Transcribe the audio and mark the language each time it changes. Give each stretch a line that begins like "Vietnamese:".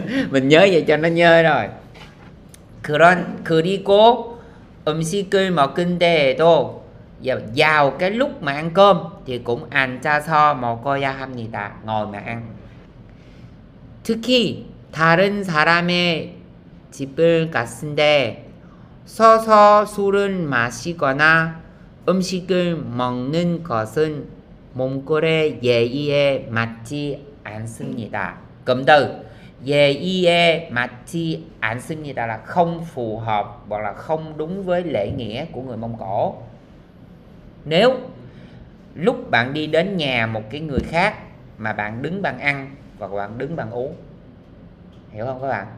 Vietnamese: Mình nhớ vậy cho nó nhớ rồi.
Korean: 그리고 음식을 먹은 데에도,
Vietnamese: vào cái lúc mà ăn cơm thì cũng
Korean: 앉아서 먹어야 합니다.
Vietnamese: Ngồi mà ăn.
Korean: 특히 다른 사람의 집을 갔을 때 서서 술을 마시거나 음식을 먹는 것은 몽골의 예의에 맞지 않습니다.
Vietnamese: Cụm từ
Korean: 예의에 맞지 않습니다
Vietnamese: là không phù hợp hoặc là không đúng với lễ nghĩa của người Mông Cổ. Nếu lúc bạn đi đến nhà một cái người khác mà bạn đứng bằng ăn và bạn đứng bằng uống, hiểu không các bạn?